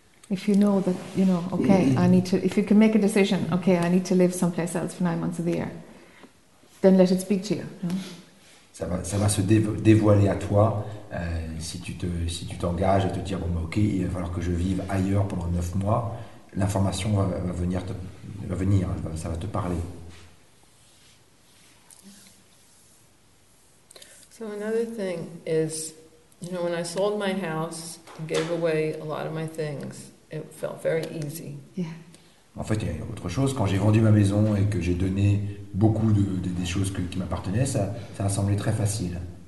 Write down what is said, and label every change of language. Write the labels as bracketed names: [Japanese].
[English] If you know that, you know, okay, I need to, if you can make a decision, okay, I need to live someplace else for 9 months of the year, then let it speak to you. No? [French] Ça va se dévoiler à toi si tu t'engages à te dire, bon, ok, il va falloir que je vive ailleurs pendant 9 mois, l'information va venir, ça va te parler. [English] So another thing is, you know, when I sold my house, gave away a lot of my things, it felt very easy. Yeah. [French] En fait, il y a autre chose. Quand j'ai vendu ma maison et que j'ai donné beaucoup des choses qui m'appartenaient, ça a semblé très facile.